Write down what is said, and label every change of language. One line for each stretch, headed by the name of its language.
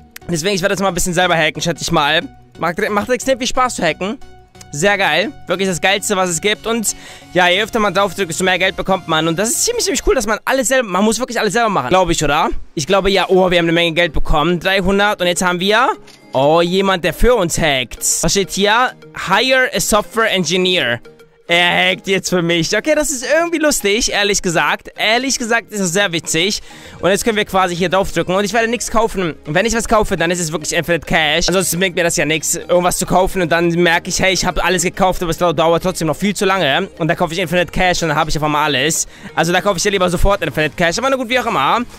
German: Deswegen, ich werde das mal ein bisschen selber hacken, schätze ich mal. Macht extrem viel Spaß zu hacken. Sehr geil. Wirklich das Geilste, was es gibt. Und ja, je öfter man drauf drückt, desto mehr Geld bekommt man. Und das ist ziemlich, ziemlich cool, dass man alles selber... Man muss wirklich alles selber machen. Glaube ich, oder? Ich glaube, ja. Oh, wir haben eine Menge Geld bekommen. 300. Und jetzt haben wir... Oh, jemand, der für uns hackt. Was steht hier?
English: Hire a software engineer.
German: Er hackt jetzt für mich. Okay, das ist irgendwie lustig, ehrlich gesagt. Ehrlich gesagt ist das sehr witzig. Und jetzt können wir quasi hier drauf drücken. Und ich werde nichts kaufen. Wenn ich was kaufe, dann ist es wirklich Infinite Cash. Ansonsten bringt mir das ja nichts, irgendwas zu kaufen. Und dann merke ich, hey, ich habe alles gekauft, aber es dauert trotzdem noch viel zu lange. Und da kaufe ich Infinite Cash und dann habe ich auf einmal alles. Also da kaufe ich ja lieber sofort Infinite Cash. Aber na gut, wie auch immer.